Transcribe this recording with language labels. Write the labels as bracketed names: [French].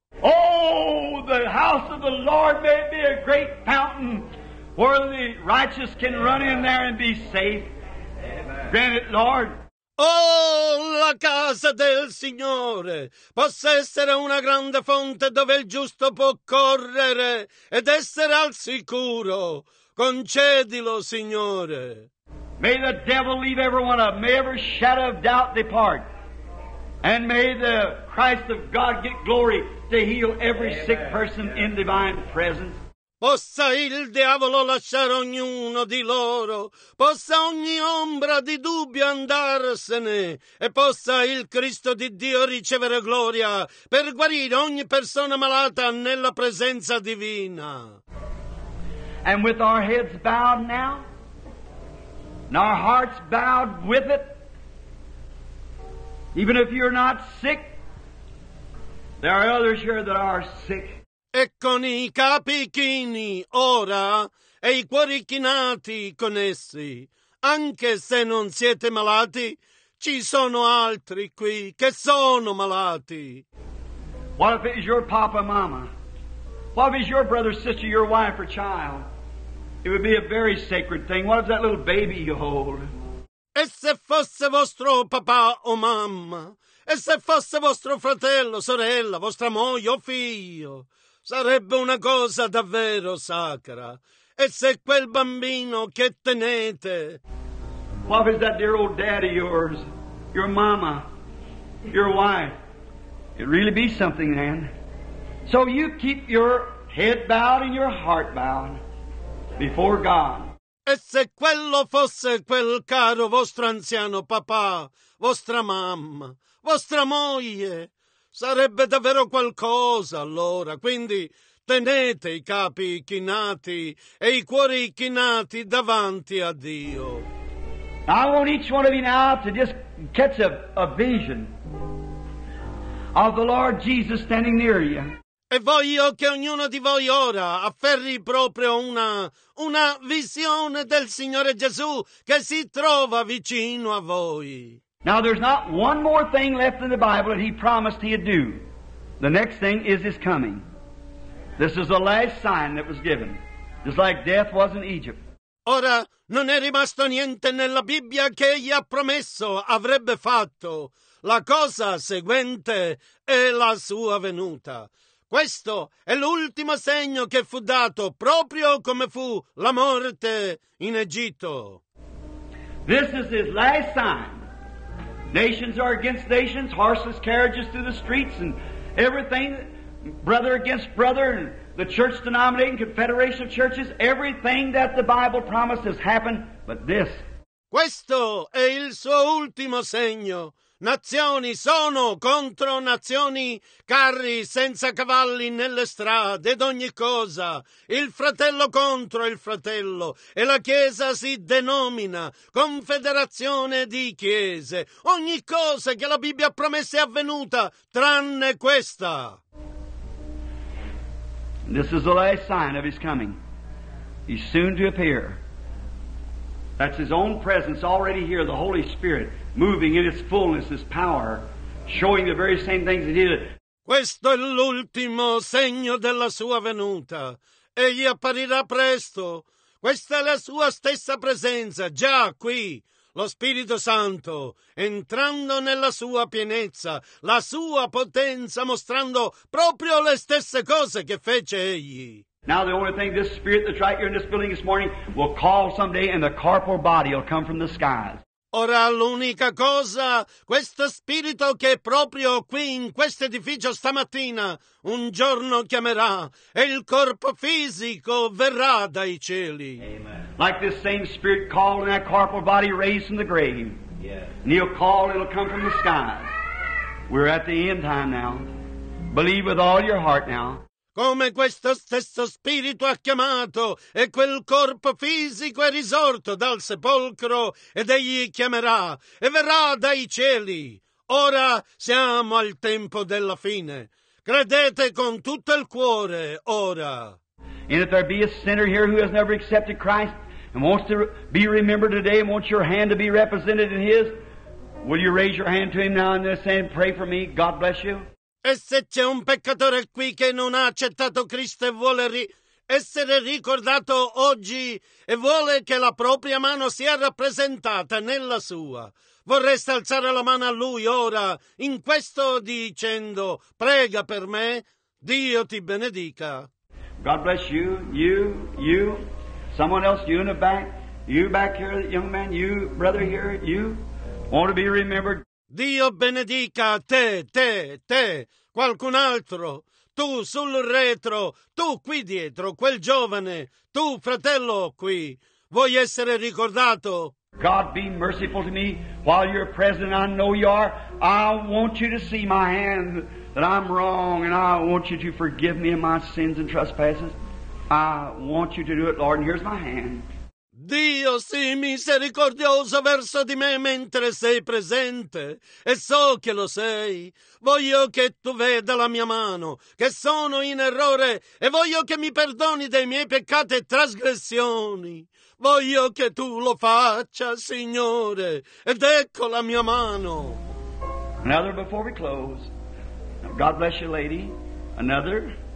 [English] Oh, the house of the Lord may be a great fountain where the righteous can run in there and be safe. Amen. Grant it, Lord. [Italian] Oh, la casa del Signore possa essere una grande fonte dove il giusto può correre ed essere al sicuro. Concedilo, Signore. [English] May the devil leave every one of them. May every shadow of doubt depart. And may the Christ of God get glory to heal every Amen. Sick person in divine presence. [Italian] Possa il diavolo lasciare ognuno di loro, possa ogni ombra di dubbio andarsene, e possa il Cristo di Dio ricevere gloria per guarire ogni persona malata nella presenza divina. [English] And with our heads bowed now, and our hearts bowed with it, even if you're not sick, there are others here that are sick. [Italian] E con i capi chini ora e i cuori chinati con essi, anche se non siete malati, ci sono altri qui che sono malati. [English] What if it's your papa, mama? What if it's your brother, sister, your wife or child? It would be a very sacred thing. What if that little baby you hold? [Italian] E se fosse vostro papà o mamma? E se fosse vostro fratello, sorella, vostra moglie o figlio? Sarebbe una cosa davvero sacra. E se quel bambino che tenete? [English] What is that dear old daddy yours? Your mama? Your wife? It really be something then. So you keep your head bowed and your heart bowed before God. [Italian] E se quello fosse quel caro vostro anziano papà, vostra mamma, vostra moglie? Sarebbe davvero qualcosa allora, quindi tenete i capi chinati e i cuori chinati davanti a Dio. [English] I want each one of you now to just catch a vision of the Lord Jesus standing near you. [Italian] E voglio che ognuno di voi ora afferri proprio una visione del Signore Gesù che si trova vicino a voi. [English] Now there's not one more thing left in the Bible that he promised he'd do. The next thing is his coming. This is the last sign that was given. Just like death was in Egypt. [Italian] Ora, non è rimasto niente nella Bibbia che egli ha promesso avrebbe fatto. La cosa seguente è la sua venuta. Questo è l'ultimo segno che fu dato, proprio come fu la morte in Egitto. [English] This is his last sign. Nations are against nations, horses, carriages through the streets, and everything, brother against brother, and the church denominating, confederation of churches, everything that the Bible promised has happened, but this. [Italian] Questo è il suo ultimo segno. Nazioni sono contro nazioni, carri senza cavalli nelle strade ed ogni cosa, il fratello contro il fratello, e la Chiesa si denomina confederazione di chiese. Ogni cosa che la Bibbia ha promesso è avvenuta, tranne questa. [English] This is the last sign of his coming. He's soon to appear. That's his own presence already here, the Holy Spirit, moving in its fullness, its power, showing the very same things that he did. [Italian] Questo è l'ultimo segno della sua venuta. Egli apparirà presto. Questa è la sua stessa presenza, già qui. Lo Spirito Santo, entrando nella sua pienezza, la sua potenza, mostrando proprio le stesse cose che fece egli. [English] Now the only thing this spirit that's right here in this building this morning will call someday and the corporal body will come from the skies. [Italian] Ora l'unica cosa, questo spirito che è proprio qui in questo edificio stamattina un giorno chiamerà e il corpo fisico verrà dai cieli. [English] Amen. Like this same spirit called in that corporal body raised from the grave. Yes. And he'll call, it'll come from the skies. We're at the end time now. Believe with all your heart now. [Italian] Come questo stesso spirito ha chiamato e quel corpo fisico è risorto dal sepolcro ed egli chiamerà e verrà dai cieli. Ora siamo al tempo della fine. Credete con tutto il cuore ora. [English] And if there be a sinner here who has never accepted Christ and wants to be remembered today and wants your hand to be represented in his, will you raise your hand to him now and then say, pray for me, God bless you? [Italian] E se c'è un peccatore qui che non ha accettato Cristo e vuole essere ricordato oggi e vuole che la propria mano sia rappresentata nella sua, vorreste alzare la mano a lui ora, in questo dicendo, prega per me, Dio ti benedica. [English] God bless you, you, you, someone else, you back here, young man, you, brother here, you, want to be remembered. [Italian] Dio benedica te, te, te, qualcun altro, tu sul retro, tu qui dietro, quel giovane, tu fratello qui, vuoi essere ricordato? [English] God be merciful to me while you're present, I know you are, I want you to see my hand that I'm wrong and I want you to forgive me of my sins and trespasses, I want you to do it Lord and here's my hand. [Italian] Dio, sii misericordioso verso di me mentre sei presente, e so che lo sei. Voglio che tu veda la mia mano, che sono in errore, e voglio che mi perdoni dei miei peccati e trasgressioni. Voglio che tu lo faccia, Signore, ed ecco la mia mano. [English] Another before we close. God bless you, lady. Another.